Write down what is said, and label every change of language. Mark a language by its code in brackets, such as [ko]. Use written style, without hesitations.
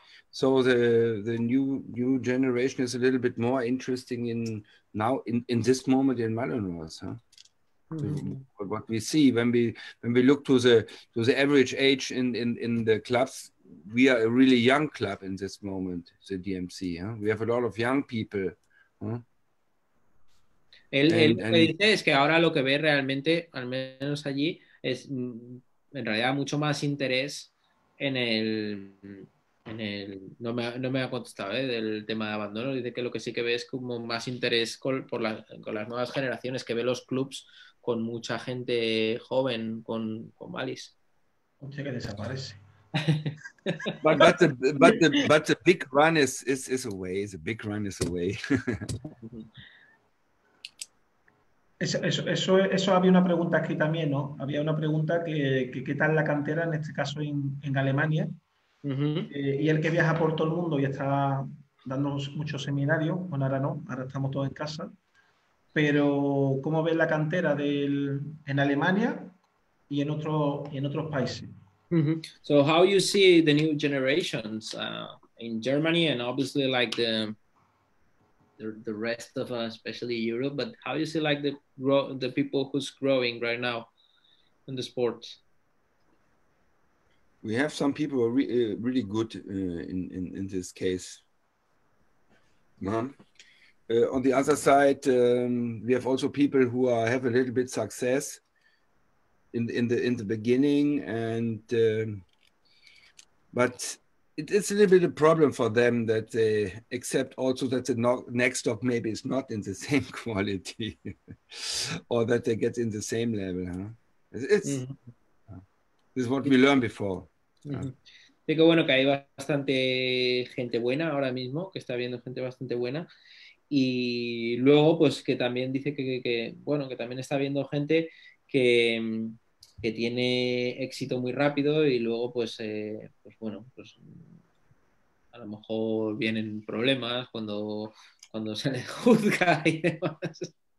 [en] So the new generation is a little bit more interesting in this moment in Malinois. Huh? Mm-hmm. So what we see when we look to the average age in the clubs, we are a really young club in this moment, the DMC. Huh? We have a lot of young people. Huh? [es] Él lo que dice es que ahora lo que ve realmente, al menos allí, es en realidad mucho más interés en el no me ha contestado del tema de abandono. Dice que lo que sí que ve es como más interés con las nuevas generaciones, que ve los clubs con mucha gente joven, con malis. Oye, que desaparece. [en] but the big run is away. The big run is away. [es] Eso había una pregunta aquí también, ¿no? Había una pregunta que qué tal la cantera, en este caso en Alemania. Uh-huh. Y él que viaja por todo el mundo y está dando muchos seminarios, bueno, ahora no, ahora estamos todos en casa, pero ¿cómo ves la cantera en Alemania y en otros países? Uh-huh. [en] So how you see the new generations in Germany and obviously like the rest of us, especially Europe, but how do you see like the people who's growing right now in the sports? We have some people who are really good in this case. On the other side, we have also people who have a little bit success in the beginning, and but it's a little bit a problem for them that they accept also that the next dog maybe is not in the same quality or that they get in the same level. Huh? It's mm-hmm. This is what we learned before. Mm-hmm. [es] Huh? Digo, bueno, que hay bastante gente buena ahora mismo, que está viendo gente bastante buena. Y luego, pues, que también dice que bueno, que también está viendo gente que tiene éxito muy rápido y luego, pues, pues bueno, pues a lo mejor vienen problemas cuando se les juzga y demás.